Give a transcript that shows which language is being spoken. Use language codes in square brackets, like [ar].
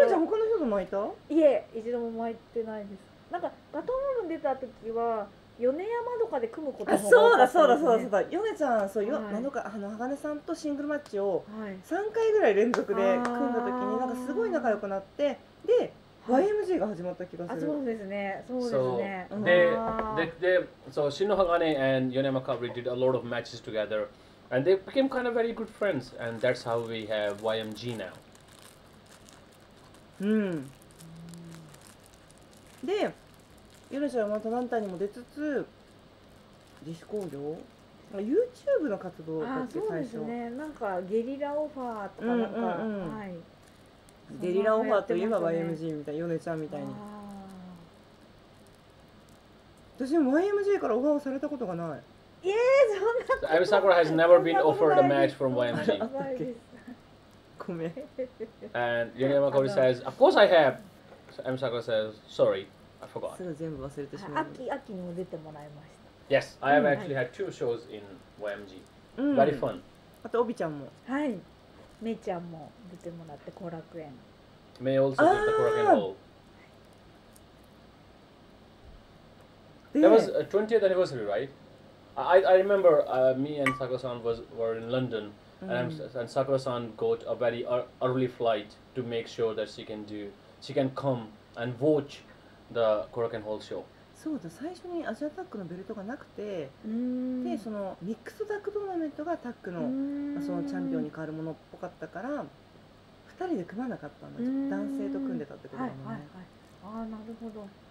[ja] ゆらちゃん他の人と巻いた？いえ、一度も巻いてないです。なんかガトムに出た時は米山とかで組むことも多かったんですね。そうだそうだそうだそうだ、米ちゃん、はい、あの鋼さんとシングルマッチを3回ぐらい連続で組んだ時になんかすごい仲良くなって、で [en] So Shino Hagane and Yonemakabri did a lot of matches together, and they became kind of very good friends, and that's how we have YMG now. Hmm. [ja] で、ゆらちゃんはまた団体にも出つつ、自主興行、YouTube の活動だっけ最初。あ、そうですね。なんかゲリラオファーとかなんか、はい。デリラオファーといえば YMG みたいな、ヨネちゃんみたいに。あ、私も YMG からオファーをされたことがない。イエー、そんなことない。 [en] Abby Sakura has never been offered a match from YMG. 怖kume. And Yoneyama Kaori says, of course I have. So M. Sakura says, sorry, I forgot. [ja] それを全部忘れてしまう。秋、秋にも出てもらいました。 [en] Yes, I have actually had two shows in YMG. Very fun. [ja] あと、オビちゃんも。はい。メイちゃんも出てもらって、後楽園。 [en] メイ also did the 後楽園 ball. That was a 20th anniversary, right? I remember me and Sakura-san were in London and Sakura-san got a very early flight to make sure that she can do, she can come and watch the Korakuen Hall show. [ja] そうだ、最初にアジアタックのベルトがなくて、で、そのミックスタックトーナメントがタックの、そのチャンピオンに変わるものっぽかったから、2人で組まなかったんだ、男性と組んでたってことだもんね。はいはいはい、あー、なるほど。